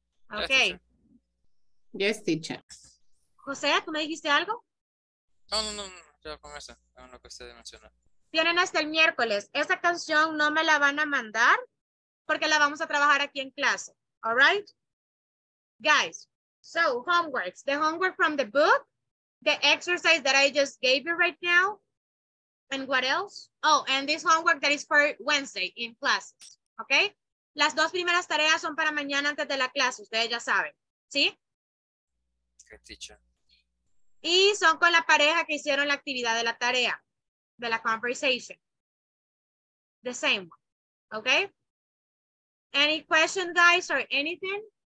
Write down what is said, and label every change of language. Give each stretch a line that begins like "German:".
English: Ok. Yes, teacher.
Spanish: José, ¿tú me dijiste algo? No. Yo con eso. Con lo que usted mencionó. Tienen hasta el miércoles. Esa canción no me la van a mandar porque la vamos a trabajar aquí en clase.
English: All right? Guys, so homeworks. The homework from the book, the exercise that I just gave you right now, and what else? Oh, and this homework that is for Wednesday in classes. Okay?
Spanish: Las dos primeras tareas son para mañana antes de la clase. Ustedes ya saben. ¿Sí? ¿Qué teacher? Y son con la pareja que hicieron la actividad de la tarea, de la conversation.
English: The same one. Okay? Any question, guys, or anything?